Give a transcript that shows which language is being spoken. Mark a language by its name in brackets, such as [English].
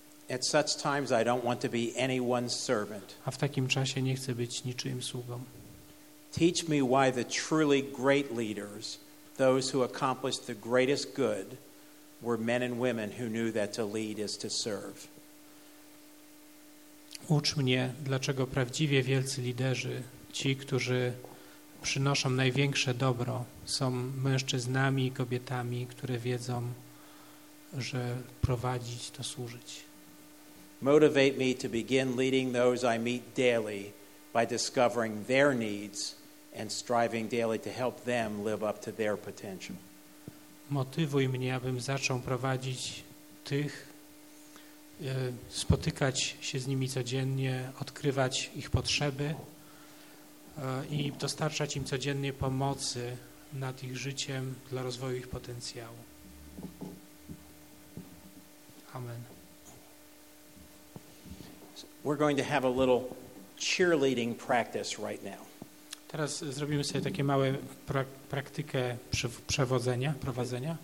[English] At such times I don't want to be anyone's servant. [Polish] A w takim czasie nie chcę być niczyim sługą. [English] Teach me why the truly great leaders, those who accomplished the greatest good, were men and women who knew that to lead is to serve. [Polish] Ucz mnie, dlaczego prawdziwie wielcy liderzy, ci, którzy przynoszą największe dobro, są mężczyznami i kobietami, które wiedzą, że prowadzić to służyć. [English] motivate me to begin leading those I meet daily by discovering their needs and striving daily to help them live up to their potential. [Polish] Motywuj mnie, abym zaczął prowadzić tych, spotykać się z nimi codziennie, odkrywać ich potrzeby i dostarczać im codziennie pomocy nad ich życiem dla rozwoju ich potencjału. [English] Amen. We're going to have a little cheerleading practice right now. [Polish] Teraz zrobimy sobie takie małe praktykę przewodzenia, prowadzenia.